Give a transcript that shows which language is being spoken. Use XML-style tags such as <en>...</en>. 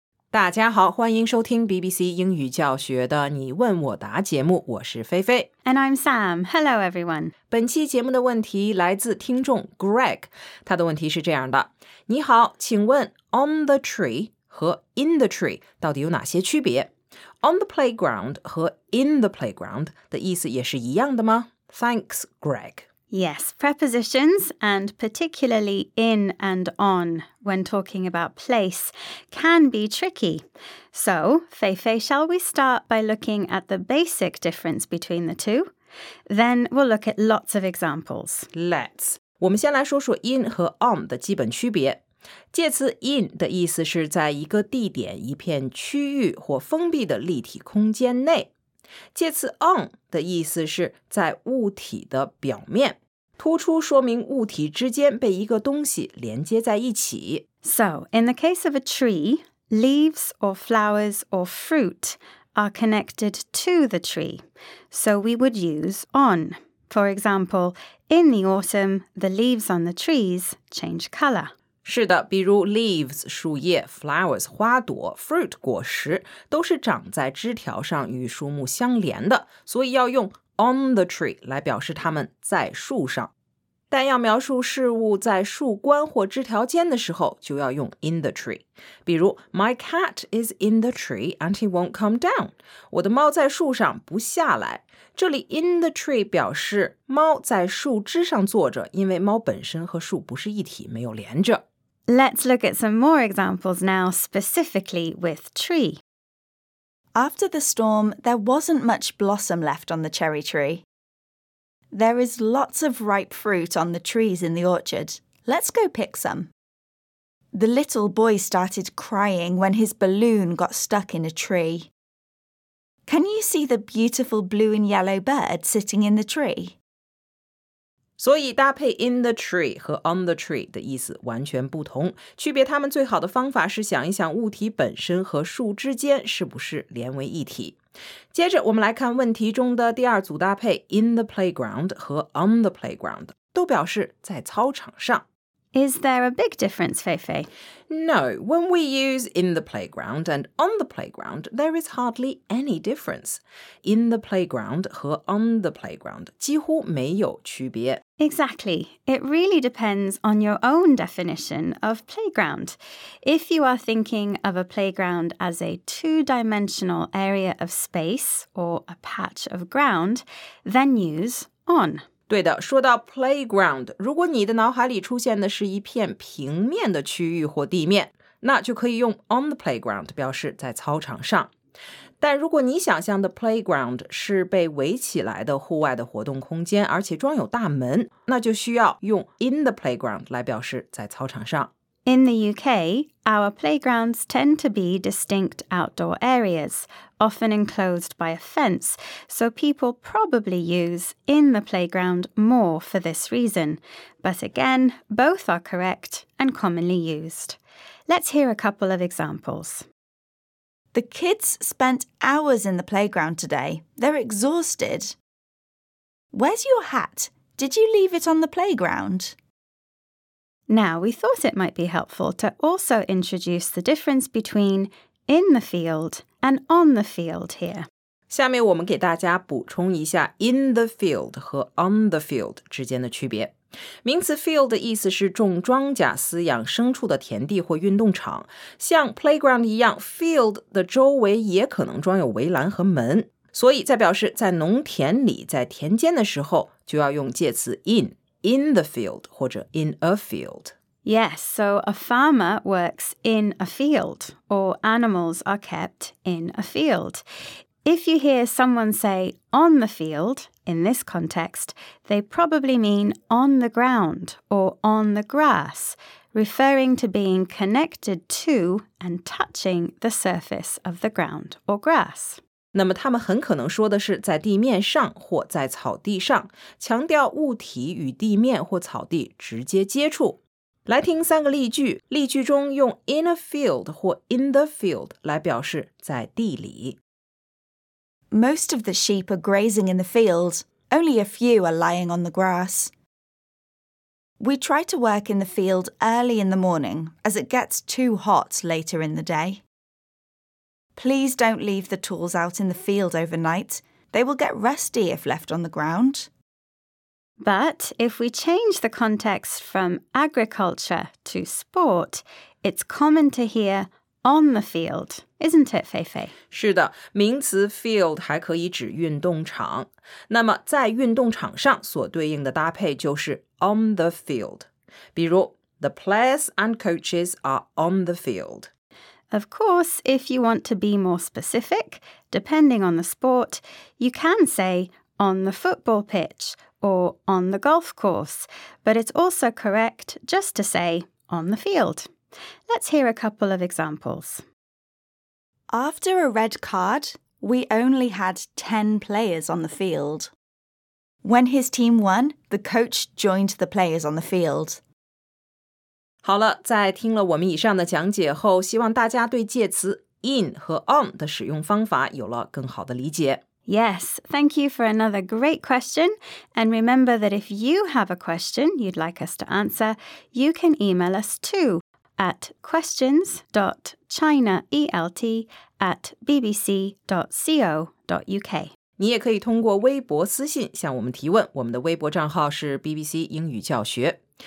<zh>大家好，欢迎收听 BBC 英语教学的你问我答节目，我是菲菲。</zh> <en>And I'm Sam. Hello, everyone.</en> <zh>本期节目的问题来自听众 Greg， 他的问题是这样的：你好，请问 on the tree 和 in the tree 到底有哪些区别？ On the playground 和 in the playground 的意思也是一样的吗 ？</zh> <en>Thanks, Greg. Yes, prepositions, and particularly in and on, when talking about place, can be tricky. So, Feifei, shall we start by looking at the basic difference between the two? Then we'll look at lots of examples. Let's.</en> <zh>我们先来说说 in 和 on 的基本区别。介词 in 的意思是在一个地点、一片区域或封闭的立体空间内。介词 on 的意思是在物体的表面，突出说明物体之间被一个东西连接在一起。 So, in the case of a tree, leaves or flowers or fruit are connected to the tree. So we would use on. For example, in the autumn, the leaves on the trees change color. 是的，比如 leaves 树叶 ，flowers 花朵 ，fruit 果实，都是长在枝条上与树木相连的，所以要用 on the tree 来表示它们在树上。但要描述事物在树冠或枝条间的时候，就要用 in the tree。比如 ，</zh> <en>My cat is in the tree and he won't come down。</en> <zh>我的猫在树上不下来。这里 in the tree 表示猫在树枝上坐着，因为猫本身和树不是一体，没有连着。</zh> <en>Let's look at some more examples now, specifically with tree. After the storm, there wasn't much blossom left on the cherry tree. There is lots of ripe fruit on the trees in the orchard. Let's go pick some. The little boy started crying when his balloon got stuck in a tree. Can you see the beautiful blue and yellow bird sitting in the tree?</en> <zh>所以搭配 in the tree 和 on the tree 的意思完全不同。区别它们最好的方法是想一想物体本身和树之间是不是连为一体。接着我们来看问题中的第二组搭配 in the playground 和 on the playground, 都表示在操场上。</zh> <en>Is there a big difference, Feifei? No, when we use in the playground and on the playground, there is hardly any difference.</en> <zh>In the playground 和 on the playground 几乎没有区别。</zh> <en>Exactly. It really depends on your own definition of playground. If you are thinking of a playground as a two-dimensional area of space or a patch of ground, then use on.</en> <zh>对的，说到 playground, 如果你的脑海里出现的是一片平面的区域或地面，那就可以用 on the playground 表示在操场上。但如果你想象的 playground 是被围起来的户外的活动空间，而且装有大门，那就需要用 in the playground 来表示在操场上。</zh> <en>In the UK, our playgrounds tend to be distinct outdoor areas, often enclosed by a fence, so people probably use in the playground more for this reason. But again, both are correct and commonly used. Let's hear a couple of examples. The kids spent hours in the playground today. They're exhausted. Where's your hat? Did you leave it on the playground? Now, we thought it might be helpful to also introduce the difference between in the field and on the field here.</en> <zh>下面我们给大家补充一下 in the field 和 on the field 之间的区别。名词 field 的意思是种庄稼、饲养牲畜的田地或运动场。像 playground 一样 ,field 的周围也可能装有围栏和门。所以在表示在农田里、在田间的时候就要用介词 in。</zh> <en>In the field,</en> <zh>或者</zh> <en>in a field. Yes, so a farmer works in a field, or animals are kept in a field. If you hear someone say on the field, in this context, they probably mean on the ground or on the grass, referring to being connected to and touching the surface of the ground or grass.</en> <zh>那么他们很可能说的是在地面上或在草地上，强调物体与地面或草地直接接触。来听三个例句，例句中用 in a field 或 in the field 来表示在地里。</zh> <en>Most of the sheep are grazing in the field. Only a few are lying on the grass. We try to work in the field early in the morning as it gets too hot later in the day. Please don't leave the tools out in the field overnight. They will get rusty if left on the ground. But if we change the context from agriculture to sport, it's common to hear on the field, isn't it, Feifei?</en> <zh>是的，名词 field 还可以指运动场。那么在运动场上所对应的搭配就是 on the field。比如</zh> <en>the players and coaches are on the field。 Of course, if you want to be more specific, depending on the sport, you can say on the football pitch or on the golf course, but it's also correct just to say on the field. Let's hear a couple of examples. After a red card, we only had 10 players on the field. When his team won, the coach joined the players on the field.</en> <zh>好了，在听了我们以上的讲解后，希望大家对介词 in 和 on 的使用方法有了更好的理解。</zh> <en>Yes, thank you for another great question. And remember that if you have a question you'd like us to answer, you can email us too at questions.chinaelt@bbc.co.uk.</en> <zh>你也可以通过微博私信向我们提问，我们的微博账号是 BBC 英语教学。</zh>